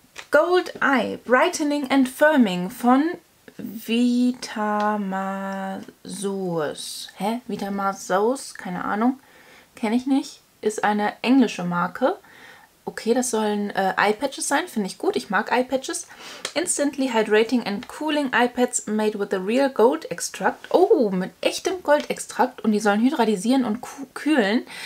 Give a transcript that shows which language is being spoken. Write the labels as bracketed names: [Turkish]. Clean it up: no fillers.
[German] Gold Eye Brightening and Firming von... Vitamasus. Hä? Vitamasus? Keine Ahnung. Kenne ich nicht. Ist eine englische Marke. Okay, das sollen Eyepatches sein. Finde ich gut. Ich mag Eyepatches. [English] Instantly Hydrating and Cooling Eyepads made with a real gold extract. [German] Oh, mit echtem Goldextrakt. Und die sollen hydratisieren und kühlen.